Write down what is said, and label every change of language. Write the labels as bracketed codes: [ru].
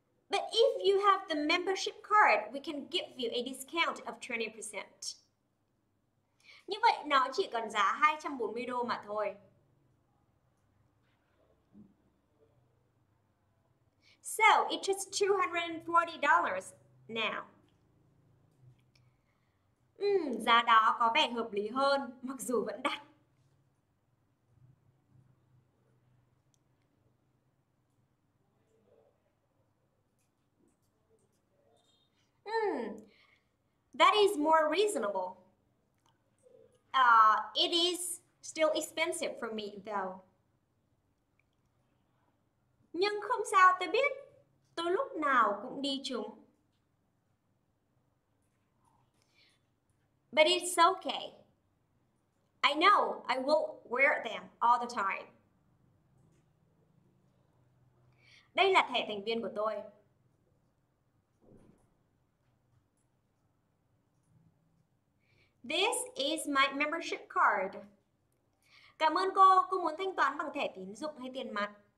[en] But if you have the membership card, we can give you a discount of 20%. [vi] Như vậy nó chỉ còn giá 240 đô mà thôi. [en] So it is $240 now. [vi] Giá đó có vẻ hợp lý hơn, mặc dù vẫn đắt. [en] That is more reasonable. It is still expensive for me though. [vi] Nhưng không sao, tôi biết tôi lúc nào cũng đi chúng. [en] But it's okay. I know I will wear them all the time. [vi] Đây là thẻ thành viên của tôi. [en] This is my membership card. [vi] Cảm ơn cô muốn thanh toán bằng thẻ tín dụng hay tiền mặt?